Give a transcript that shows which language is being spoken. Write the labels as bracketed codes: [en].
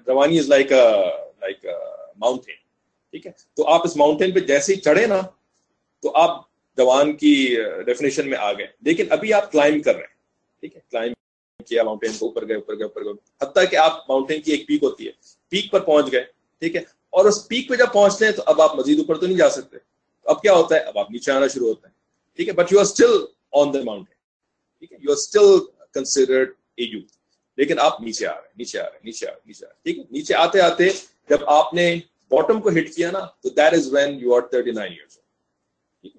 [ur] جوانی is like mountain. ٹھیک ہے, تو آپ اس ماؤنٹین پہ جیسے ہی چڑھے نا تو آپ جوان کی ڈیفینیشن میں آ گئے, لیکن ابھی آپ کلائم کر رہے ہیں. ٹھیک ہے, کلائم کیا ماؤنٹین کو, اوپر گئے, حتیٰ کہ آپ ماؤنٹین کی ایک پیک ہوتی ہے, پیک پر پہنچ گئے. ٹھیک ہے, اور اس پیک پہ جب پہنچتے ہیں تو اب آپ مزید اوپر تو نہیں جا سکتے, اب کیا ہوتا ہے, اب آپ نیچے آنا شروع ہوتے ہیں. ٹھیک ہے, [en] But you are still on the mountain. You are still considered a youth. [ur] لیکن آپ نیچے آ رہے ہیں, نیچے آ رہے ہیں, نیچے آ رہے ہیں, نیچے آ رہے ہیں. ٹھیک ہے, نیچے آتے آتے جب آپ نے باٹم کو ہٹ کیا نا, تو [en] That is when you are 39 years old.